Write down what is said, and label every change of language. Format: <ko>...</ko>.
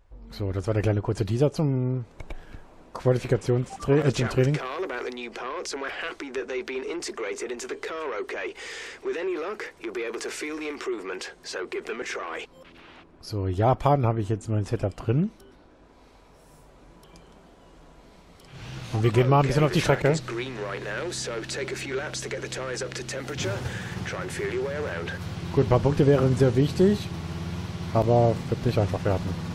<de>So, das war der kleine kurze Teaser zum Qualifikationstraining.</de> <en>New parts and we're happy that they've been integrated into the car okay. With any luck, you'll be able to feel the improvement, so give them a try.</en> <de>So, Japan habe ich jetzt mein Setup drin. Und wir gehen mal ein bisschen auf die Strecke.</de> <en>It's green right now, so take a few laps to get the tires up to temperature. Try and feel your way around.</en> <de>Gut, ein paar Punkte wären sehr wichtig, aber wird nicht einfach werden.</de>